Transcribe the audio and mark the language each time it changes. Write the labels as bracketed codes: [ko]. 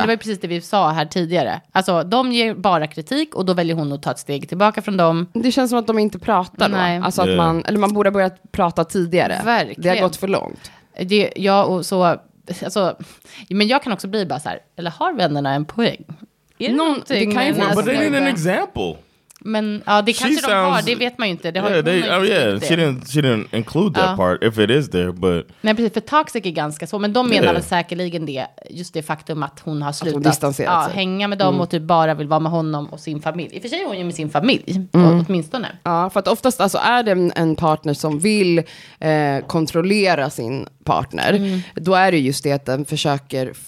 [sv] Det var precis det vi sa här tidigare. Alltså, de ger bara kritik och då väljer hon att ta ett steg tillbaka från dem. Det känns som att de inte pratar då. Alltså att man, eller man borde ha börjat prata tidigare. Verkligen. Det har gått för långt. Ja, och så... Alltså, men jag kan också bli bara så här, eller har vännerna en poäng? [en] But they need an example. [sv] Men ja, det kanske de har, det vet man ju inte. [en] She didn't include that part if it is there, but [sv] nej, precis, för toxic är ganska så, men de menar säkerligen det, just det faktum att hon har slutat hänga med dem och typ bara vill vara med honom och sin familj. I och för sig är hon ju med sin familj åtminstone. Ja, för att oftast alltså är det en partner som vill kontrollera sin partner, då är det just det att den försöker.